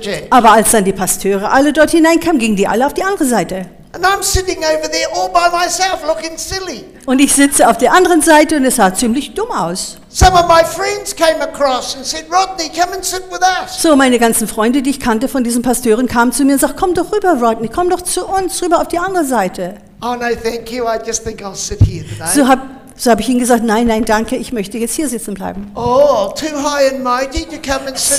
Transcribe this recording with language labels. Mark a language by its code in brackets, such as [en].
[de] Aber als dann die Pastöre alle dort hineinkamen, gingen die alle auf die andere Seite. [en] And I'm sitting over there all by myself, looking silly. [de] Und ich sitze auf der anderen Seite und es sah ziemlich dumm aus. [en] Some of my friends came across and said, Rodney, come and sit with us. [de] So, meine ganzen Freunde, die ich kannte von diesen Pastören, kamen zu mir und sagten, komm doch rüber, Rodney, komm doch zu uns, rüber auf die andere Seite. [en] Oh no, thank you, I just think I'll sit here today. [de] So hab ich ihnen gesagt, nein, danke, ich möchte jetzt hier sitzen bleiben. [en] Oh, too high and mighty to come and sit